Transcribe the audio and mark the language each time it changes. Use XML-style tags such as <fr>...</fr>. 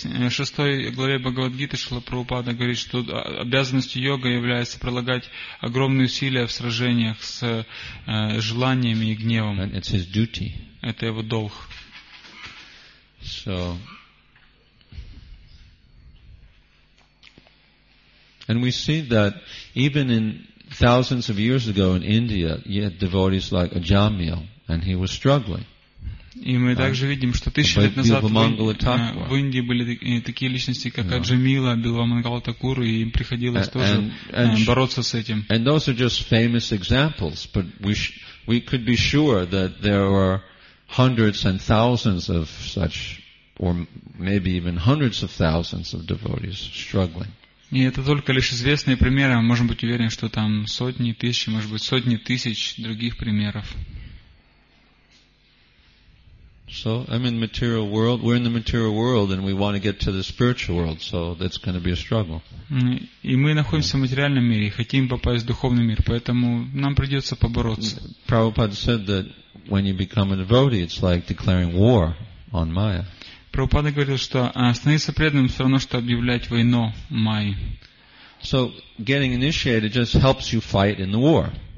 <ru>Шестой главе Бхагавад-гиты Шрила Прабхупада говорит, что обязанностью йога является прилагать огромные усилия в сражениях с желаниями и гневом.</ru> <en>It's his duty.</en> <ru>Это его долг.</ru> <en>So, and we see that even in thousands of years ago in India, you had devotees like Ajamiya, and he was struggling.</en> <ru>И мы также видим, что тысячи лет назад в Индии были такие личности, как Аджамила, Билвамангала Такур, и им приходилось тоже бороться с этим.</ru> <en>And those are just famous examples, but we could be sure that there are hundreds and thousands of such, or maybe even hundreds of thousands of devotees struggling.</en> <ru>И это только лишь известные примеры. Мы можем быть уверены, что там сотни тысяч, может быть, сотни тысяч других примеров.</ru> <en>So, I'm in the material world, we're in the material world, and we want to get to the spiritual world, so that's going to be a struggle.</en> <ru>И мы находимся в материальном мире, и хотим попасть в духовный мир, поэтому нам придется побороться.</ru> <en>Prabhupada said that when you become a devotee, it's like declaring war on Maya.</en> <ru>Prabhupada говорил, что становиться преданным все равно, что объявлять войну Майе.</ru> <en>So, getting initiated just helps you fight in the war.</en>